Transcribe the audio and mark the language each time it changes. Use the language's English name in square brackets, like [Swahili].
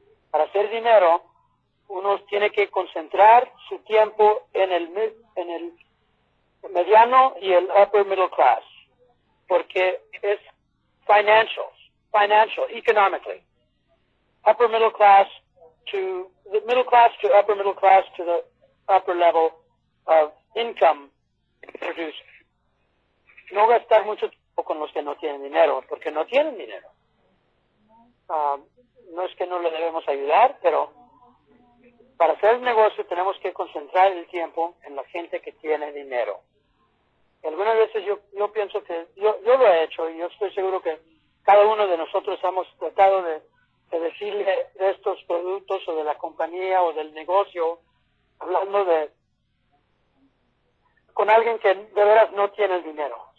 [Spanish] Para hacer dinero uno tiene que concentrar su tiempo en el mediano y el [English] upper middle class, [Spanish] porque es [English] financial, economically. Upper middle class to the middle class to upper middle class to the upper level of income producer. [Spanish] No gastar mucho tiempo con los que no tienen dinero, porque no tienen dinero. No es que no le debemos ayudar, pero para hacer el negocio tenemos que concentrar el tiempo en la gente que tiene dinero. Y algunas veces yo pienso que yo lo he hecho, y yo estoy seguro que cada uno de nosotros hemos tratado de decirle de estos productos o de la compañía o del negocio, hablando de con alguien que de veras no tiene el dinero.